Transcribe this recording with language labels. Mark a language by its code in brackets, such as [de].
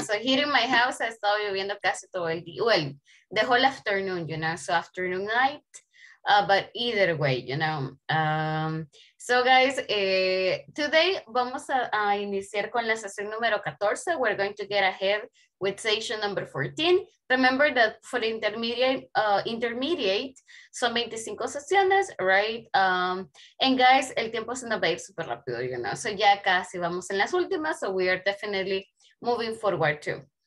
[en] So here in my house, [es] ha estado lloviendo casi todo el día. [en] Well, the whole afternoon, you know, so afternoon, night. But either way, you know. So guys, today [es] vamos a iniciar con la sesión número 14. [en] We're going to get ahead with session number 14. Remember that for intermediate [es] son 25 sesiones, [en] right? And guys, [es] el tiempo se nos va a ir super rápido, [en] you know. So [es] ya casi vamos en las últimas. [en] So we are definitely moving forward too.